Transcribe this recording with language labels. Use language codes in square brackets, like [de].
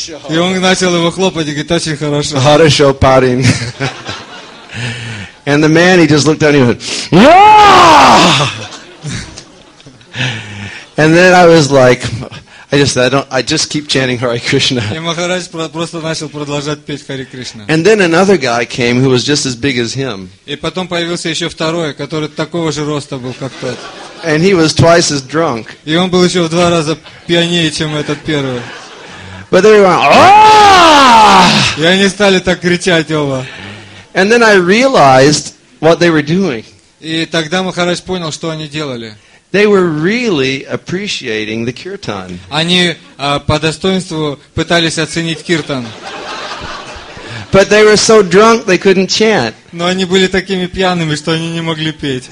[ru] И он начал его хлопать и говорит, очень хорошо. Хорошо, парень. [en] And the man, he just looked down and he went, And then I was like, I just keep chanting Hare Krishna. [ru] И Махарадж просто начал продолжать петь Харе Кришна. [en] And then another guy came who was just as big as him. [ru] И потом появился еще второй, который такого же роста был, как тот. [en] And he was twice as drunk. [ru] И он был еще в два раза пьянее, чем этот первый. [en] But they went, [ru] И они стали так кричать оба. [en] And then I realized what they were doing. [ru] И тогда Махарадж понял, что они делали. [en] They were really appreciating the kirtan. [ru] Они по достоинству пытались оценить киртан. [en] But they were so drunk they couldn't chant. [ru] Но они были такими пьяными, что они не могли петь.